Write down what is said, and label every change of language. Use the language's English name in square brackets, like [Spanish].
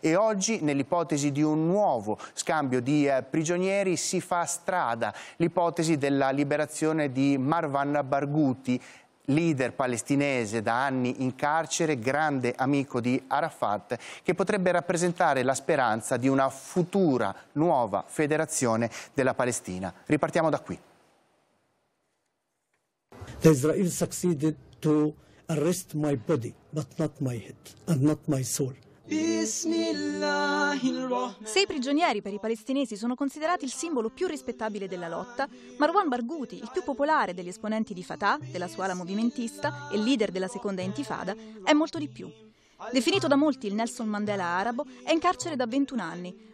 [Italian] E oggi, nell'ipotesi di un nuovo scambio di prigionieri, si fa strada l'ipotesi della liberazione di Marwan Barghouti, leader palestinese da anni in carcere, grande amico di Arafat, che potrebbe rappresentare la speranza di una futura nuova federazione della Palestina. Ripartiamo da qui. [English] Israel succeeded to arrest my body, but not my head and not my soul. [Italian] Sei prigionieri per i palestinesi sono considerati il simbolo più rispettabile della lotta. Marwan Barghouti, il più popolare degli esponenti di Fatah, della sua ala movimentista e leader della seconda intifada, è molto di più. Definito da molti il Nelson Mandela arabo, è in carcere da 21 anni.